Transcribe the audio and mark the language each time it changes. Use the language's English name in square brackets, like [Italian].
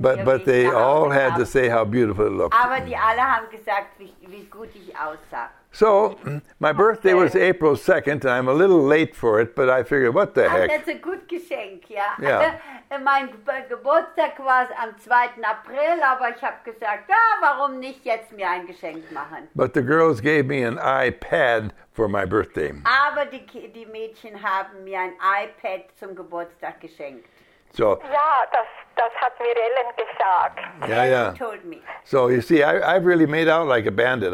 [English] But they all had to say how beautiful it looked. [German] Aber die alle haben gesagt, wie gut ich aussah. [English] So, my birthday was April 2nd, and I'm a little late for it, but I figured, what the heck? That's a good Geschenk, ja. Yeah. [German] Mein Geburtstag war es am 2. April, aber ich habe gesagt, ja, warum nicht jetzt mir ein Geschenk machen? [English] But the girls gave me an iPad for my birthday. [German] Aber die Mädchen haben mir ein iPad zum Geburtstag geschenkt. [English] So, [German] ja, das hat mir Ellen gesagt. [English] Yeah, yeah. She told me. So you see, I've really made out like a bandit.